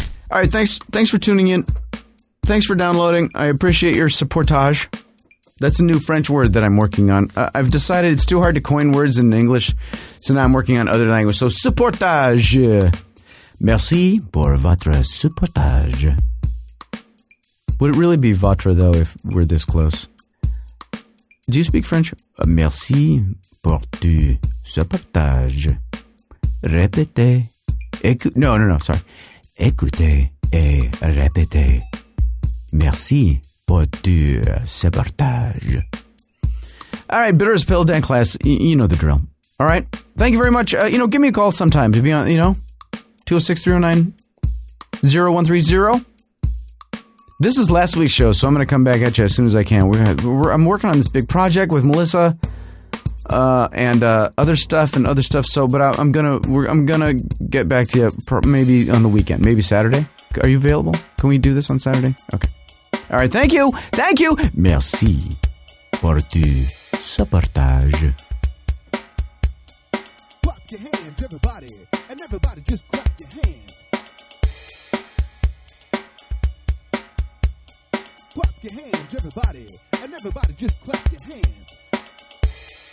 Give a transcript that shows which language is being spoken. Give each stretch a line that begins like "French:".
English: All right, thanks for tuning in. Thanks for downloading. I appreciate your supportage. That's a new French word that I'm working on. I've decided it's too hard to coin words in English, so now I'm working on other languages. So, supportage.
French: Merci pour votre supportage.
English: Would it really be votre, though, if we're this close? Do you speak French?
French: Merci pour du supportage. Répétez. Sorry. Écoutez et répétez. Merci.
English: All right, bitterest pill, dank class, you know the drill. All right, thank you very much. You know, give me a call sometime to be on, you know, 206-309-0130. This is last week's show, so I'm going to come back at you as soon as I can. I'm working on this big project with Melissa and other stuff, but I'm going to get back to you maybe on the weekend, maybe Saturday. Are you available? Can we do this on Saturday? Okay. All right, thank you.
French: Merci pour du supportage.
English: Clap your hands, everybody, and everybody just clap your hands. Clap your hands, everybody, and everybody just clap your hands.